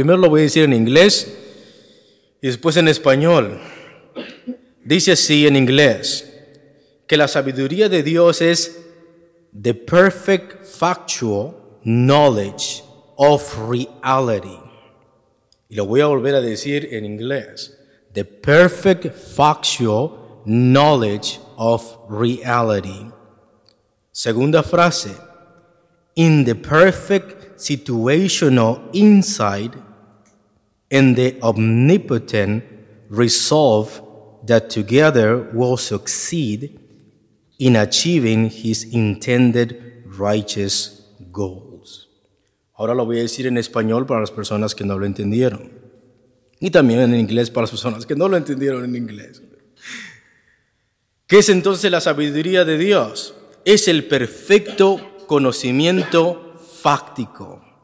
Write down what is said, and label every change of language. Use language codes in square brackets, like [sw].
[es] Primero lo voy a decir en inglés y después en español. Dice así en inglés, que la sabiduría de Dios es [en] the perfect factual knowledge of reality. [es] Y lo voy a volver a decir en inglés. [en] The perfect factual knowledge of reality. [es] Segunda frase. [en] In the perfect situational insight and the omnipotent resolve that together will succeed in achieving his intended righteous goal. [es] Ahora lo voy a decir en español para las personas que no lo entendieron. Y también en inglés para las personas que no lo entendieron en inglés. ¿Qué es entonces la sabiduría de Dios? Es el perfecto conocimiento fáctico.